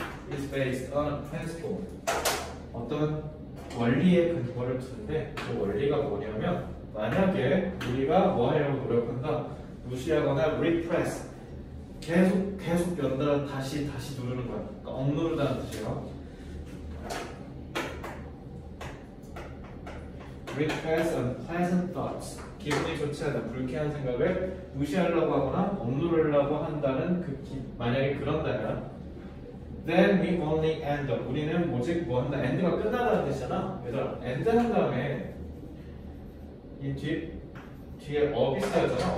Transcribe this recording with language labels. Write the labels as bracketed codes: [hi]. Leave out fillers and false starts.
[en] It's based on a principle. [ko] 어떤 원리에 근거를 두는데 그 원리가 뭐냐면 만약에 우리가 뭐 하려고 노력한다 무시하거나 repress 계속 연달아 다시 누르는 거야. 그러니까 억누른다는 뜻이에요. [en] Repress unpleasant thoughts. [ko] 기분이 좋지 않은 불쾌한 생각을 무시하려고 하거나 억누르려고 한다는 만약에 그런다면 [en] Then we only end up. [ko] 우리는 오직 뭐 한다? End가 끝나다는 뜻이잖아. 얘들아, end 한 다음에 이 뒤에 up이 쌓여잖아.